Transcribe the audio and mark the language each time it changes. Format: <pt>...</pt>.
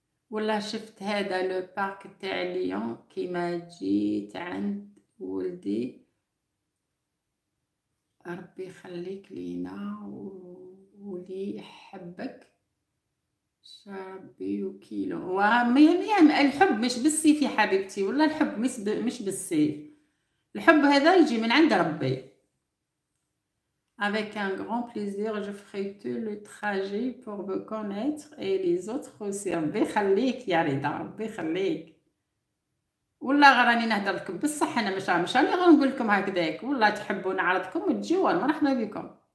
<ar>والله شفت هذا لو بارك تاع ليون كيما جيت عند ولدي، ربي يخليك لينا ولي يحبك. شعبي وكيلو ومين الحب مش بالسيف يا حبيبتي، ولا الحب مش بالسيف، الحب هذا يجي من عند ربي.</ar> <fr>Avec un grand plaisir, je ferai tout le trajet pour vous connaître et les autres aussi.</fr> <ar>ربي خليك يا رضا، ربي خليك. والله غراني نهضر لكم بصح، انا مش راني غنقول لكم هكذاك، والله تحبوا نعرضكم وتجيو مرحبا بكم.</ar>